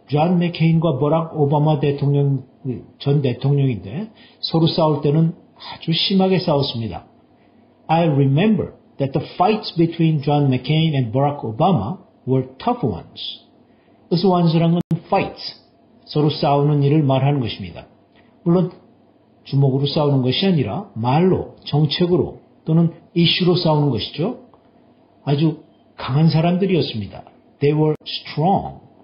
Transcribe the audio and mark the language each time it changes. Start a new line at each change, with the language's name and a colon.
Korean: 존 맥케인과 버락 오바마 대통령 전 대통령인데 서로 싸울 때는 아주 심하게 싸웠습니다.
English: I remember that the fights between John McCain and Barack Obama were tough ones. Those ones란 건 fights.
Korean: 서로 싸우는 일을 말하는 것입니다. 물론 주먹으로 싸우는 것이 아니라 말로, 정책으로 또는 이슈로 싸우는 것이죠. 아주 강한 사람들이었습니다.
English: They were strong.